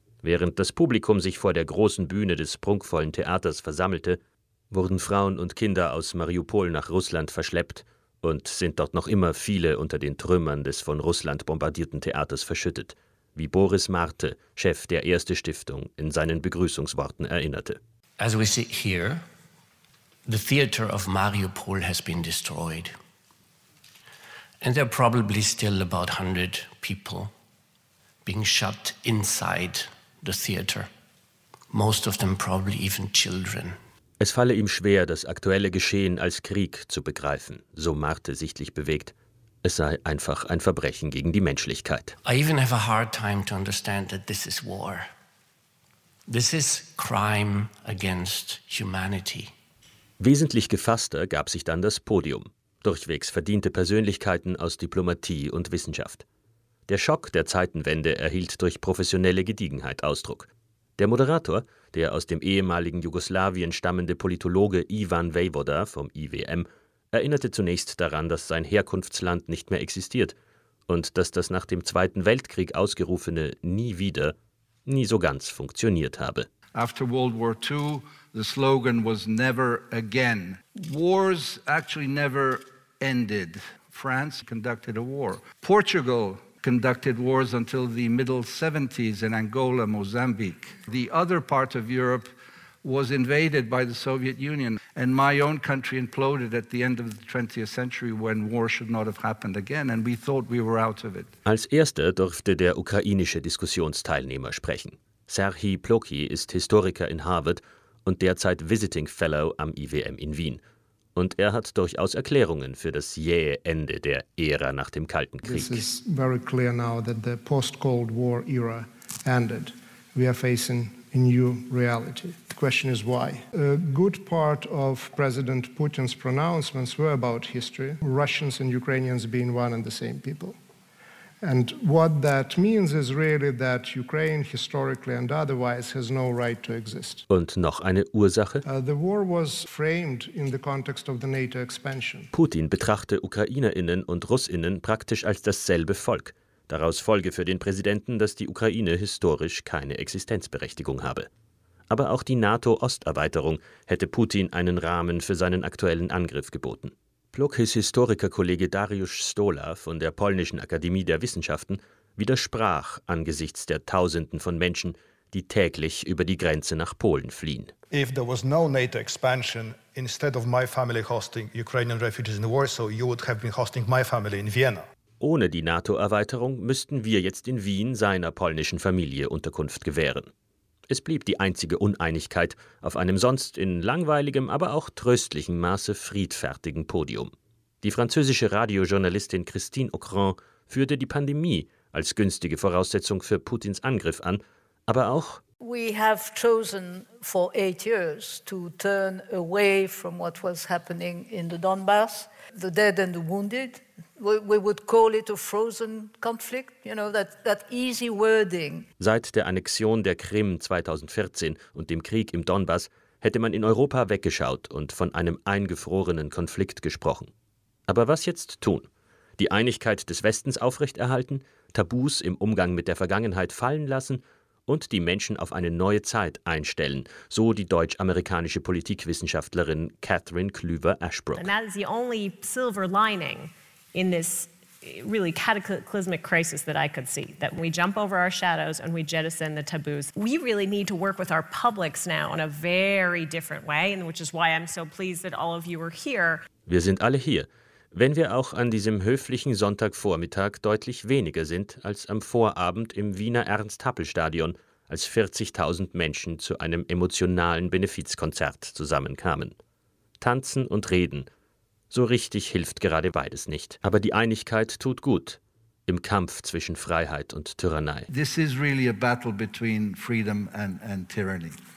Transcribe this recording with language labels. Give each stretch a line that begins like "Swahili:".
German: Während das Publikum sich vor der großen Bühne des prunkvollen Theaters versammelte, wurden Frauen und Kinder aus Mariupol nach Russland verschleppt und sind dort noch immer viele unter den Trümmern des von Russland bombardierten Theaters verschüttet, wie Boris Marte, Chef der Erste Stiftung, in seinen Begrüßungsworten erinnerte.
English: As we sit here, the theater of Mariupol has been destroyed. And there are probably still about 100 people being shut inside the theater. Most of them probably even children.
German: Es falle ihm schwer, das aktuelle Geschehen als Krieg zu begreifen, so Marte sichtlich bewegt. Es sei einfach ein Verbrechen gegen die Menschlichkeit.
English: I even have a hard time to understand that this is war. This is crime against humanity.
German: Wesentlich gefasster gab sich dann das Podium. Durchwegs verdiente Persönlichkeiten aus Diplomatie und Wissenschaft. Der Schock der Zeitenwende erhielt durch professionelle Gediegenheit Ausdruck. Der Moderator, der aus dem ehemaligen Jugoslawien stammende Politologe Ivan Vejvoda vom IWM, erinnerte zunächst daran, dass sein Herkunftsland nicht mehr existiert und dass das nach dem Zweiten Weltkrieg ausgerufene »Nie wieder« nie so ganz funktioniert habe.
English: After World War II, the slogan was never again. Wars actually never ended. France conducted a war. Portugal conducted wars until the middle 70s in Angola, Mozambique. The other part of Europe was invaded by the Soviet Union. And my own country imploded at the end of the 20th century when war should not have happened again. And we thought we were out of it.
German: Als erster durfte der ukrainische Diskussionsteilnehmer sprechen. Serhii Ploki ist Historiker in Harvard und derzeit Visiting Fellow am IWM in Wien. Und er hat durchaus Erklärungen für das jähe Ende der Ära nach dem Kalten Krieg.
English: This is very clear now that the post-Cold War era ended. We are facing a new reality. The question is why. A good part of President Putin's pronouncements were about history. Russians and Ukrainians being one and the same people. And what that means is really that Ukraine historically and otherwise has no right to exist.
German: Und noch eine Ursache?
English: The war was framed in the context of the NATO expansion.
German: Putin betrachte UkrainerInnen und RussInnen praktisch als dasselbe Volk. Daraus folge für den Präsidenten, dass die Ukraine historisch keine Existenzberechtigung habe. Aber auch die NATO-Osterweiterung hätte Putin einen Rahmen für seinen aktuellen Angriff geboten. Plukis Historikerkollege Dariusz Stola von der Polnischen Akademie der Wissenschaften widersprach angesichts der Tausenden von Menschen, die täglich über die Grenze nach Polen fliehen.
English: If there was no NATO expansion, instead of my family hosting Ukrainian refugees in Warsaw, you would have been hosting my family in Vienna.
German: Ohne die NATO-Erweiterung müssten wir jetzt in Wien seiner polnischen Familie Unterkunft gewähren. Es blieb die einzige Uneinigkeit auf einem sonst in langweiligem, aber auch tröstlichem Maße friedfertigen Podium. Die französische Radiojournalistin Christine Ockrent führte die Pandemie als günstige Voraussetzung für Putins Angriff an, aber auch:
English: We have chosen for 8 years to turn away from what was happening in the Donbass, the dead and the wounded. We would call it a frozen conflict, you know, that easy wording.
German: Seit der Annexion der Krim 2014 und dem Krieg im Donbass hätte man in Europa weggeschaut und von einem eingefrorenen Konflikt gesprochen. Aber was jetzt tun? Die Einigkeit des Westens aufrechterhalten, Tabus im Umgang mit der Vergangenheit fallen lassen und die Menschen auf eine neue Zeit einstellen, so die deutsch-amerikanische Politikwissenschaftlerin Catherine Klüver-Ashbrook.
English: And that is the only silver lining in this really cataclysmic crisis that I could see, that we jump over our shadows and we jettison the taboos. We really need to work with our publics now in a very different way, and which is why I'm so pleased that all of you are here.
German: Wir sind alle hier, wenn wir auch an diesem höflichen Sonntagvormittag deutlich weniger sind als am Vorabend im Wiener Ernst-Happel-Stadion, als 40.000 Menschen zu einem emotionalen Benefizkonzert zusammenkamen. Tanzen und reden. So richtig hilft gerade beides nicht. Aber die Einigkeit tut gut im Kampf zwischen Freiheit und Tyrannei.
English: This is really a battle between freedom and tyranny.